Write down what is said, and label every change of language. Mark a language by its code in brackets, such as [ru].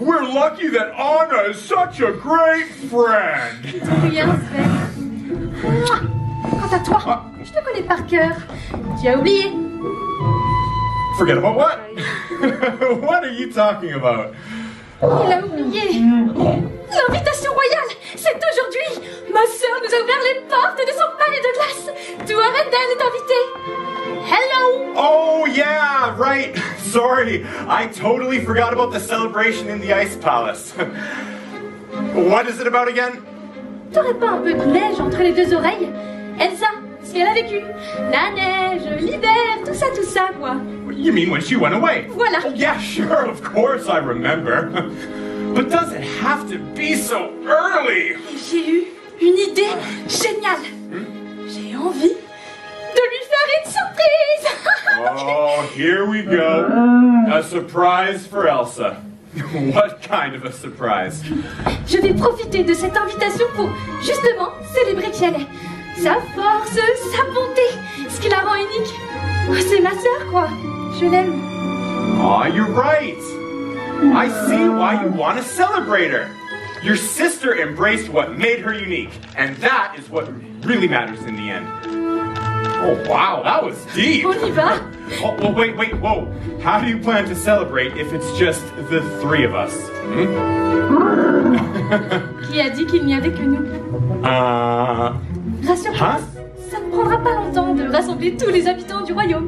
[en] We're lucky that Anna is such a great friend! [fr] Rien, Sven. Quant à toi, je te connais par cœur. Tu as oublié. [en] Forget about what? What are you talking about? [fr] Il a oublié. L'invitation royale, c'est aujourd'hui! Ma sœur nous a ouvert les portes de son palais de glace! Toi, Reine d'Elle, est invitée! [en] Hello! Oh, yeah, right! Sorry, I totally forgot about the celebration in the Ice Palace. What is it about again? [fr] T'aurais pas un peu de neige entre les deux oreilles? Elsa, ce qu'elle a vécu. La neige, l'hiver, tout ça, quoi. [en] You mean when she went away? [fr] Voilà. [en] Oh, yeah, sure, of course I remember. But does it have to be so early? [fr] J'ai eu une idée géniale. J'ai envie de lui faire une surprise. [en] here we go. A surprise for Elsa. What kind of a surprise? [fr] Je vais profiter de cette invitation pour, justement, célébrer qui elle est. Sa force, sa bonté, ce qui la rend unique. C'est ma sœur, quoi. Je l'aime. [en] Aw, you're right. I see why you want to celebrate her. Your sister embraced what made her unique, and that is what really matters in the end. Oh, wow, that was deep. [fr] On y va. [en] Oh, well, wait, wait, whoa. How do you plan to celebrate if it's just the three of us? [fr] Qui a dit qu'il n'y avait que nous? Rassure-toi, ça ne prendra pas longtemps de rassembler tous les habitants du royaume.